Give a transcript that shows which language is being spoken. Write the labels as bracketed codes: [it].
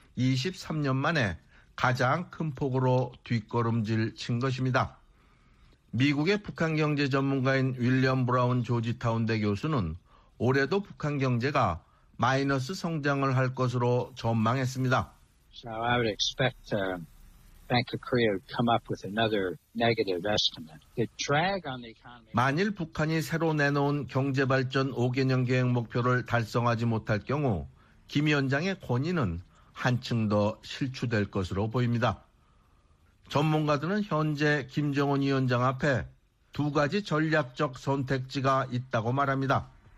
[ko] 23년 만에 가장 큰 폭으로 뒷걸음질 친 것입니다. 미국의 북한 경제 전문가인 윌리엄 브라운 조지타운대 교수는 올해도 북한 경제가 마이너스 성장을 할 것으로 전망했습니다. [en] So I would expect Bank of Korea to come up with another negative estimate. The drag on the economy. [ko] 만일 북한이 새로 내놓은 경제 발전 5개년 계획 목표를 달성하지 못할 경우 김 위원장의 권위는 한층 더 실추될 것으로 보입니다. 전문가들은 현재 김정은 위원장 앞에 두 가지 전략적 선택지가 있다고 말합니다.